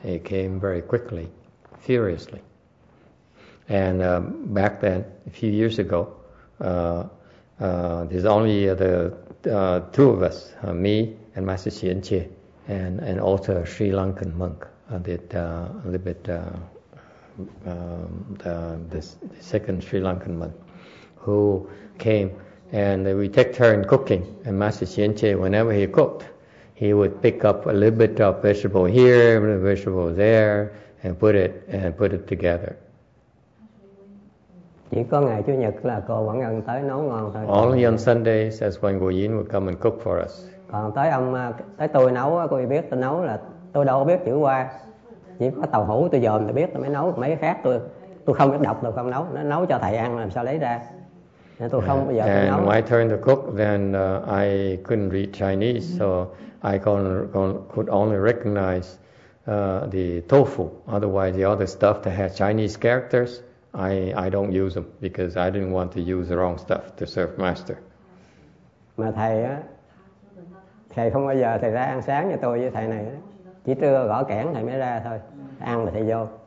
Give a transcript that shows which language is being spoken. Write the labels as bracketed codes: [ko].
[en] It came very quickly, furiously. And back then, a few years ago, there's only the two of us, me and Master Chien Che, and also a Sri Lankan monk that the second Sri Lankan monk who came. And we take turn cooking, and Master Chien Che, whenever he cooked, he would pick up a little bit of vegetable here, a little vegetable there, and put it together. [vi] Chỉ có ngày Chủ nhật là cô Quảng Ngân tới nấu ngon thôi. [en] Only on Sundays, that's when Cô Yến would come and cook for us. [vi] Còn tới tôi nấu, cô ấy biết tôi nấu là tôi đâu có biết chữ Hoa. Chỉ có tàu hủ tôi dòm tôi biết tôi mới nấu, mấy cái khác tôi không biết đọc, tôi không nấu. Nó nấu cho thầy ăn làm sao lấy ra. [en] And my turn to cook, then I couldn't read Chinese, so I could only recognize the tofu. Otherwise, the other stuff that had Chinese characters, I don't use them because I didn't want to use the wrong stuff to serve master. [vi] Mà thầy á, thầy không bao giờ thầy ra ăn sáng như tôi với thầy này, chỉ trưa gõ kẽn thầy mới ra thôi, ăn là thầy vô.